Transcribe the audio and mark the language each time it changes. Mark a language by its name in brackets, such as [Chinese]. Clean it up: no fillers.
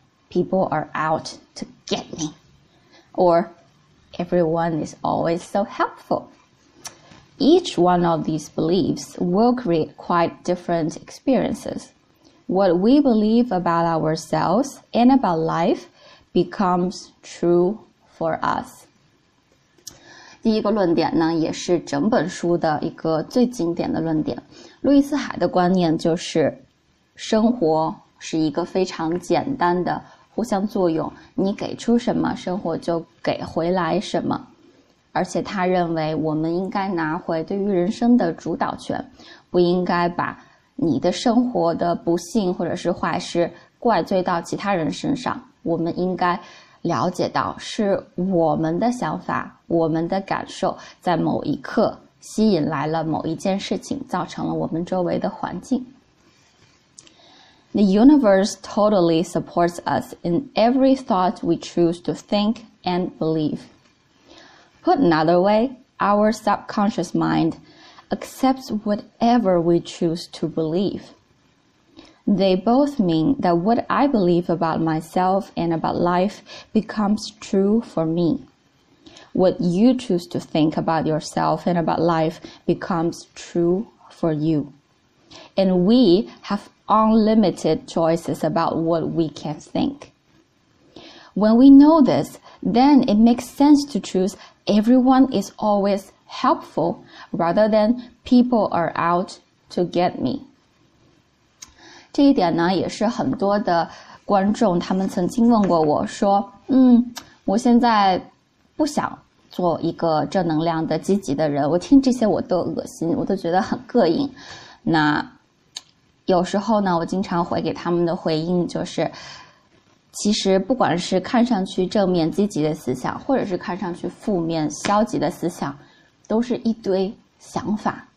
[English] People are out to get me. Or everyone is always so helpful. Each one of these beliefs will create quite different experiences. What we believe about ourselves and about life becomes true for us。 [Chinese] 第一个论点呢，也是整本书的一个最经典的论点。路易斯海的观念就是，生活是一个非常简单的互相作用，你给出什么，生活就给回来什么。而且他认为，我们应该拿回对于人生的主导权，不应该把你的生活的不幸或者是坏事怪罪到其他人身上。我们应该了解到，是我们的想法、我们的感受，在某一刻吸引来了某一件事情，造成了我们周围的环境。 [English] The universe totally supports us in every thought we choose to think and believe. Put another way, our subconscious mind accepts whatever we choose to believe. They both mean that what I believe about myself and about life becomes true for me. What you choose to think about yourself and about life becomes true for you. And we have unlimited choices about what we can think. When we know this, then it makes sense to choose everyone is always helpful rather than people are out to get me. [Chinese] 这一点呢也是很多的观众他们曾经问过我说我现在不想做一个正能量的积极的人，我听这些我都恶心，我都觉得很膈应。那有时候呢，我经常回给他们的回应就是，其实不管是看上去正面积极的思想，或者是看上去负面消极的思想，都是一堆想法。